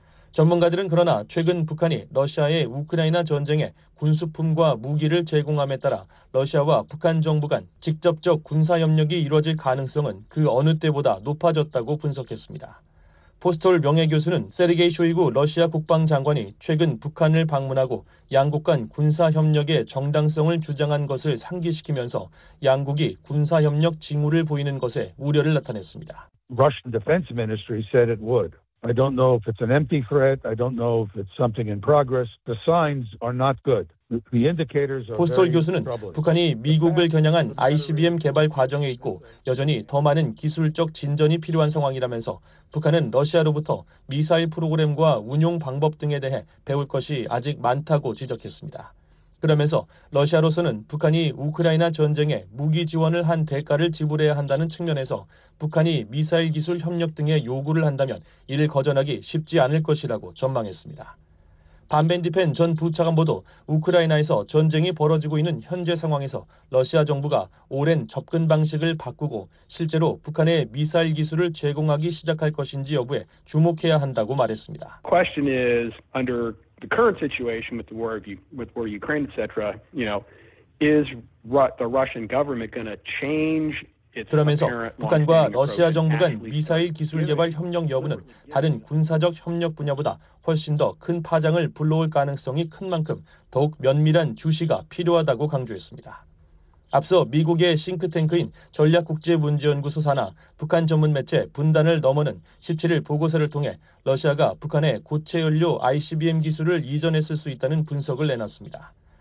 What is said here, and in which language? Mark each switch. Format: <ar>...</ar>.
<ko>전문가들은 그러나 최근 북한이 러시아의 우크라이나 전쟁에 군수품과 무기를 제공함에 따라 러시아와 북한 정부 간 직접적 군사협력이 이루어질 가능성은 그 어느 때보다 높아졌다고 분석했습니다. 포스톨 명예교수는 세르게이 쇼이구 러시아 국방장관이 최근 북한을 방문하고 양국 간 군사협력의 정당성을 주장한 것을 상기시키면서 양국이 군사협력 징후를 보이는 것에 우려를 나타냈습니다.</ko> <en>Russian Defense Ministry said it would. I don't know if it's an empty threat. I don't know if it's something in progress. The signs are not good.</en> <ko>포스톨 교수는 북한이 미국을 겨냥한 ICBM 개발 과정에 있고 여전히 더 많은 기술적 진전이 필요한 상황이라면서 북한은 러시아로부터 미사일 프로그램과 운용 방법 등에 대해 배울 것이 아직 많다고 지적했습니다. 그러면서 러시아로서는 북한이 우크라이나 전쟁에 무기 지원을 한 대가를 지불해야 한다는 측면에서 북한이 미사일 기술 협력 등의 요구를 한다면 이를 거절하기 쉽지 않을 것이라고 전망했습니다. 반벤디펜 전 부차관보도 우크라이나에서 전쟁이 벌어지고 있는 현재 상황에서 러시아 정부가 오랜 접근 방식을 바꾸고 실제로 북한에 미사일 기술을 제공하기 시작할 것인지 여부에 주목해야 한다고 말했습니다.</ko> <en>Question is under the current situation with the war of Ukraine etc. you know is the Russian government going to change</en> <ko>그러면서 북한과 러시아 정부 간 미사일 기술 개발 협력 여부는 다른 군사적 협력 분야보다 훨씬 더 큰 파장을 불러올 가능성이 큰 만큼 더욱 면밀한 주시가 필요하다고 강조했습니다. 앞서 미국의 싱크탱크인 전략국제문제연구소 산하 북한 전문 매체 분단을 넘어는 17일 보고서를 통해 러시아가 북한의 고체연료 ICBM 기술을 이전했을 수 있다는 분석을 내놨습니다.</ko>